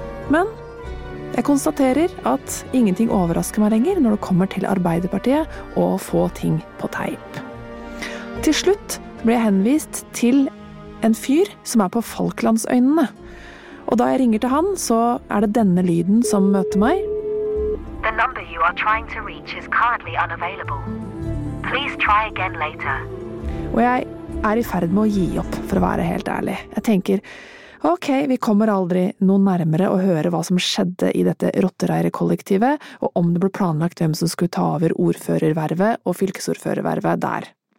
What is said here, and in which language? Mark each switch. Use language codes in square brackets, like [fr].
[no] Men jeg konstaterer at ingenting overrasker meg lenger når det kommer til Arbeiderpartiet og få ting på teip. Til slutt ble jeg henvist til en fyr som er på Falklandsøynene. Og da jeg ringer til han, så er det denne lyden som møter meg. [en] The number you are trying to reach is currently unavailable. Please try again later. [no] Og jeg er i ferd med å gi opp, for å være helt ærlig. Jeg tenker, ok, vi kommer aldri noe nærmere å høre hva som skjedde i dette rottereirekollektivet, og om det ble planlagt hvem som skulle ta over ordførervervet og fylkesordførervervet der.